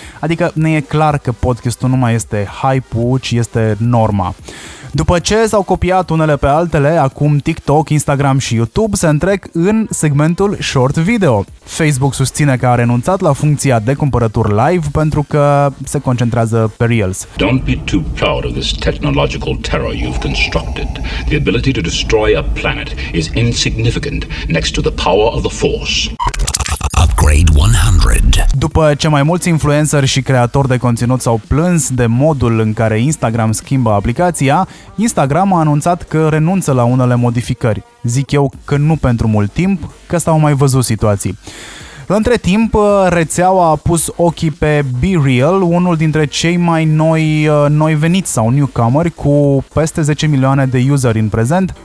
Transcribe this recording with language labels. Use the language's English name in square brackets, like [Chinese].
[Romanian] Adică ne e clar că podcastul nu mai este hype-ul, ci este norma. După ce s-au copiat unele pe altele, acum TikTok, Instagram și YouTube se întrec în segmentul short video. Facebook susține că a renunțat la funcția de cumpărături live pentru că se concentrează pe Reels. [English] Don't be too proud of this technological terror you've constructed. The ability to destroy a planet is insignificant next to the power of the force. Upgrade 100. [Romanian] După ce mai mulți influenceri și creatori de conținut s-au plâns de modul în care Instagram schimbă aplicația, Instagram a anunțat că renunță la unele modificări. Zic eu că nu pentru mult timp, că s-au mai văzut situații. Între timp, rețeaua a pus ochii pe BeReal, unul dintre cei mai noi veniți sau newcomeri, cu peste 10 milioane de useri în prezent.